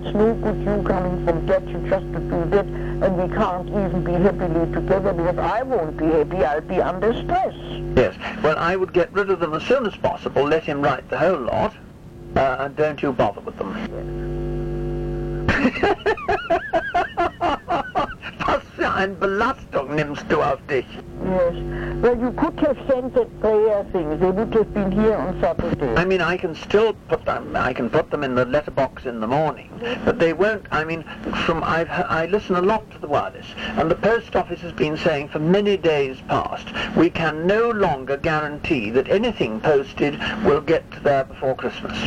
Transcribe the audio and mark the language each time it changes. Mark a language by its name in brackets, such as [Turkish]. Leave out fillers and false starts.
[English] It's no good you coming from Gatcha just to do that. And we can't even be happily together because I won't be happy. I'll be under stress. Yes. Well, I would get rid of them as soon as possible. Let him write the whole lot. And don't you bother with them. Yes. [German] Und Belastung nimmst du auf dich. [English] Yes. Well, you could have sent that prayer thing. They would have been here on Saturday. I mean, I can still put them. I can put them in the letterbox in the morning. Yes. But they won't. I mean, I listen a lot to the wireless, and the post office has been saying for many days past, we can no longer guarantee that anything posted will get there before Christmas.